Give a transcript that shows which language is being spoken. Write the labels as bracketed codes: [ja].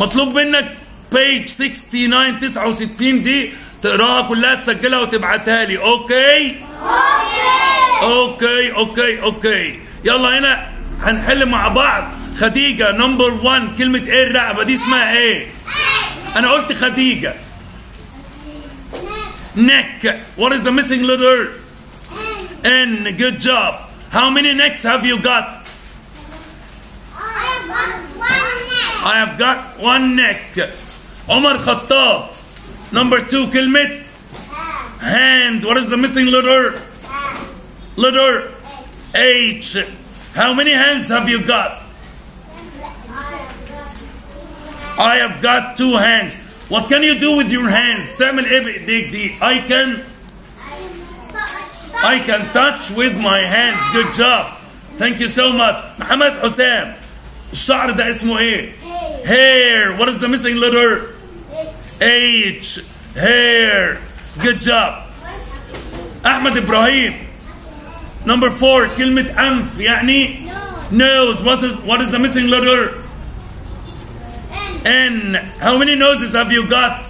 [ar] مطلوب منك page 69 69 دي تقراها كلها، تسجلها وتبعتها لي. [en] Okay okay okay okay. [ar] يلا هنا هنحل مع بعض. خديجة نمبر 1، كلمة ايه الرقبة دي اسمها ايه؟ انا قلت خديجة. [en] Neck. What is the missing letter؟ N. Good job. How many necks have you got؟ I have got one neck. [ar] عمر خطاب. [en] Number 2 كلمة hand. What is the missing letter؟ Letter H. How many hands have you got؟ I have got two hands. What can you do with your hands؟ [ar] تعمل ايه بايديك دي؟ [en] I can touch with my hands. Good job. Thank you so much. محمد حسام. [ar] الشعر ده اسمه ايه؟ [en] Hair. What is the missing letter؟ H. Hair. Good job. احمد ابراهيم. [ar] Number 4 كلمة أنف يعني [en] nose. What is the missing letter؟ N. How many noses have you got؟